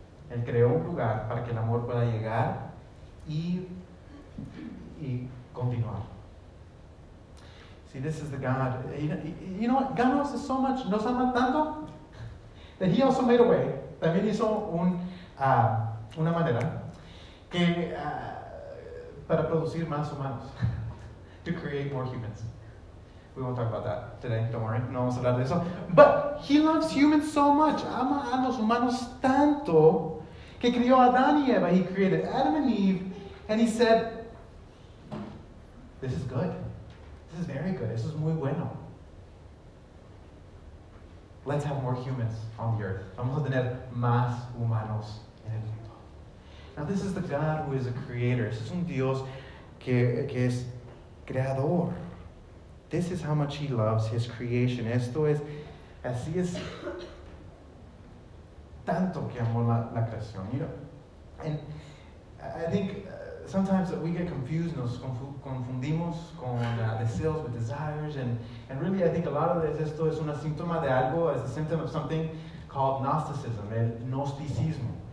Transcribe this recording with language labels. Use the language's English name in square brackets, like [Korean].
[Spanish] Él creó un lugar para que el amor pueda llegar y continuar. [English] See, this is the God. You know what? God knows us so much. [Spanish] Nos ama tanto [English] that he also made a way. [Spanish] También hizo una manera que para producir más humanos. [English] To create more humans. We won't talk about that today. Don't worry. [Spanish] No vamos a hablar de eso. [English] But he loves humans so much. [Spanish] Ama a los humanos tanto que crió a Adán y Eva. [English] He created Adam and Eve. And he said, this is good. This is very good. [Spanish] Eso es muy bueno. [English] Let's have more humans on the earth. [Spanish] Vamos a tener más humanos en el mundo. [English] Now, this is the God who is a creator. [Spanish] Es un Dios que es creador. [English] This is how much he loves his creation. Esto es [Spanish] Así es tanto que amó la creación. You know? [English] And I think sometimes we get confused, [Spanish] nos confundimos con deseos, [English] with desires, and really I think a lot of this, [Spanish] esto es una síntoma de algo, [English] it's a symptom of something called Gnosticism, el Gnosticismo.